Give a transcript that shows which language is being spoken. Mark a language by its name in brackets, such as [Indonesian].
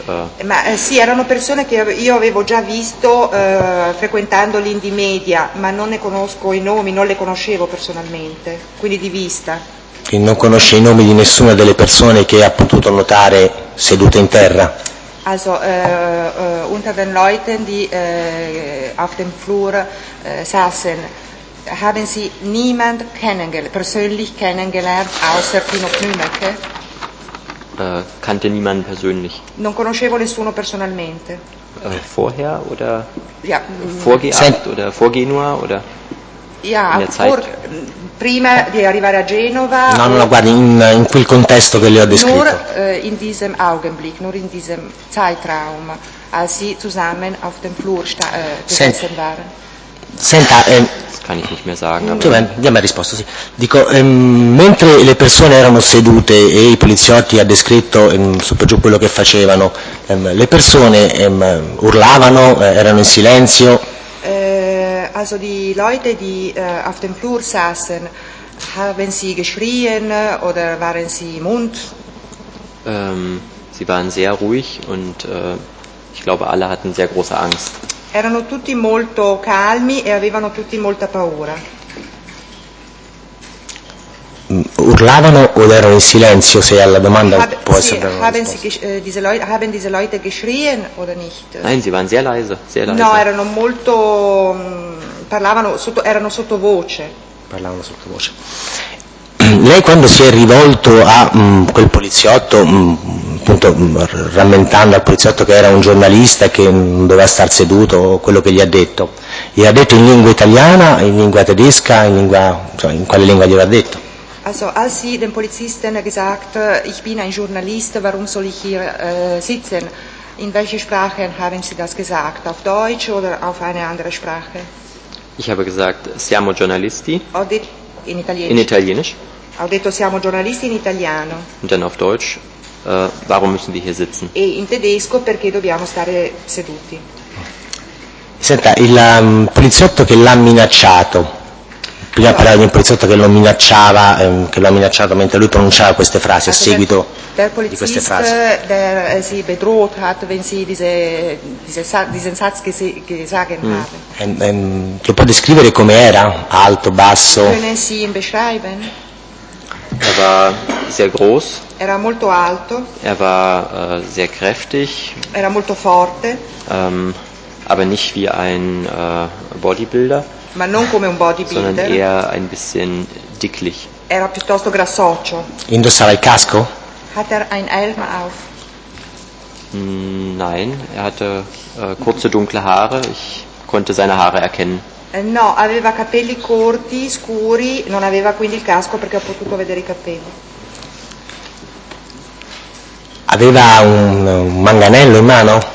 [Italian] Ma sì, erano persone che io avevo già visto frequentando l'Indie Media, ma non ne conosco i nomi, non le conoscevo personalmente, quindi di vista. E non conosce i nomi di nessuna delle persone che ha potuto notare sedute in terra? [German] Also unter den Leuten, die auf dem Flur saßen, haben Sie niemand persönlich kennengelernt, außer Tino Plumecke? Kannte niemanden persönlich. [Italian] Non conoscevo nessuno personalmente. [German] Vorher oder ja, vor Genua oder vor Genua oder ja, in der Zeit? [Italian] Prima di arrivare a Genova. No, guardi, in quel contesto che le ho descritto. [German] Nur in diesem Augenblick, nur in diesem Zeitraum, als sie zusammen auf dem Flur gesessen waren. [Italian] Senta, [German] das kann ich nicht mehr sagen, aber... [Italian] Diamo la risposta, sì. Dico, mentre le persone erano sedute e i poliziotti ha descritto su per giù quello che facevano, le persone urlavano, erano in silenzio? [German] Also die Leute, die auf dem Flur saßen, haben sie geschrien oder waren sie mund? Sie waren sehr ruhig und ich glaube alle hatten sehr große Angst. [Italian] Erano tutti molto calmi e avevano tutti molta paura. Urlavano o erano in silenzio, se alla domanda può sì, essere una haben risposta. [German] Haben diese Leute geschrien oder nicht? Nein, sie waren sehr leise, sehr leise. [Italian] No, erano molto, erano sotto voce. Parlavano sotto voce. Lei quando si è rivolto a quel poliziotto, appunto rammentando al poliziotto che era un giornalista e che doveva star seduto, quello che gli ha detto in lingua italiana, in lingua tedesca, in lingua, cioè, in quale lingua glielo ha detto? [German] Also, als sie den Polizisten gesagt, ich bin ein Journalist, warum soll ich hier sitzen? In welche Sprache haben Sie das gesagt? Auf Deutsch oder auf eine andere Sprache? Ich habe gesagt, [Italian] siamo giornalisti. [German] In italienisch. In italienisch. [Italian] Ho detto siamo giornalisti in italiano. [German] Und dann auf Deutsch, warum müssen wir hier sitzen? [Italian] E in tedesco perché dobbiamo stare seduti. Senta, il poliziotto che l'ha minacciato, Prima parlava di un poliziotto che lo minacciava, che lo ha minacciato mentre lui pronunciava queste frasi, a seguito di queste frasi. [German] Der Polizist, der sie bedroht hat, wenn sie diesen Satz gesagt haben. [Italian] Lo può descrivere come era? Alto, basso? [German] Können Sie ihn beschreiben? Er war sehr groß. [Italian] Era molto alto. [German] Er war sehr kräftig. [Italian] Era molto forte. [German] Aber nicht wie ein Bodybuilder. [Italian] Ma non come un bodybuilder. [German] Sondern eher ein bisschen dicklich. [Italian] Era piuttosto grassoccio. Indossava il casco? [German] Hat ein Helm auf? Nein, hatte kurze dunkle Haare. Ich konnte seine Haare erkennen. [Italian] No, aveva capelli corti, scuri, non aveva quindi il casco perché ho potuto vedere i capelli. Aveva un manganello in mano?